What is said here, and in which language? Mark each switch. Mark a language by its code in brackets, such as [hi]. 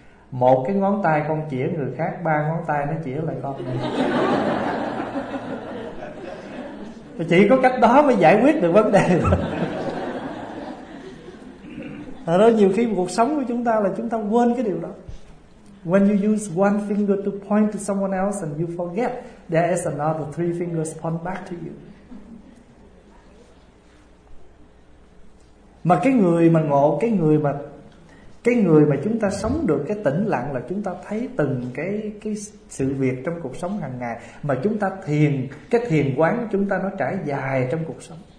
[vi] Một cái ngón tay con chỉ người khác, ba ngón tay nó chỉ lại con. Chỉ có cách đó mới giải quyết được vấn đề. Đó, nhiều khi cuộc sống của chúng ta là chúng ta quên cái điều đó. [en] When you use one finger to point to someone else and you forget there is another three fingers point back to you. [vi] Mà cái người mà ngộ, cái người mà chúng ta sống được cái tĩnh lặng là chúng ta thấy từng cái sự việc trong cuộc sống hàng ngày, mà chúng ta thiền, cái thiền quán chúng ta nó trải dài trong cuộc sống.